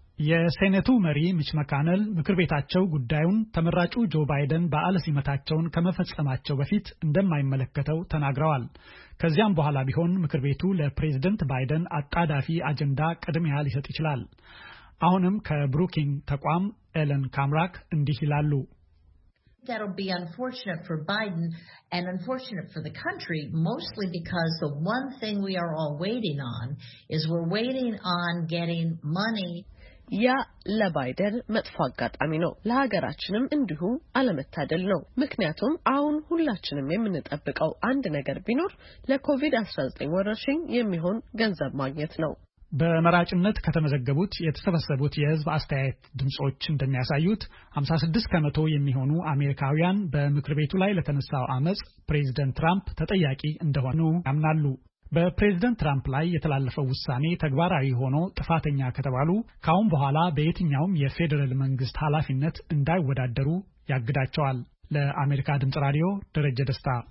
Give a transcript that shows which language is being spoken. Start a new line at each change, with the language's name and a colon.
Amharic: የሴኔቱ መሪ ሚች መካነል ምክር ቤታቸው ጉዳዩን ተመራጩ ጆ ባይደን በዓለ ሲመታቸውን ከመፈጸማቸው በፊት እንደማይመለከተው ተናግረዋል። ከዚያም በኋላ ቢሆን ምክር ቤቱ ለፕሬዝዳንት ባይደን አጣዳፊ አጀንዳ ቀድሚያ ሊሰጥ ይችላል። አሁንም ከብሩኪንግ ተቋም ኤለን ካምራክ እንዲህ ይላሉ።
English: That'll be unfortunate for Biden and unfortunate for the country, mostly because the one thing we are all waiting on is we're waiting on getting money.
Amharic: ያ ለባይደን መጥፋጋጣሚ ነው ለሀገራችንም እንዲሁ አለመታደል ነው ምክንያቱም አሁን ሁላችንም የምንጠብቀው አንድ ነገር ቢኖር ለኮቪድ-19 ወረርሽኝ የሚሆን ገንዘብ ማግኘት ነው በመራጭነት ከተመዘገቡት የተሰበሰቡት የህዝብ አስተያየት ድምጾች እንደሚያሳዩት 56 ከመቶ የሚሆኑ አሜሪካውያን በምክር ቤቱ ላይ ለተነሳው አመጽ ፕሬዝዳንት ትራምፕ ተጠያቂ እንደሆኑ ያምናሉ በፕሬዝዳንት ትራምፕ ላይ የተላለፈው ውሳኔ ተግባራዊ ሆኖ ጥፋተኛ ከተባሉ ካሁን በኋላ በየትኛውም የፌደራል መንግስት ኃላፊነት እንዳይወዳደሩ ያግዳቸዋል። ለአሜሪካ ድምጽ ራዲዮ ደረጀ ደስታ።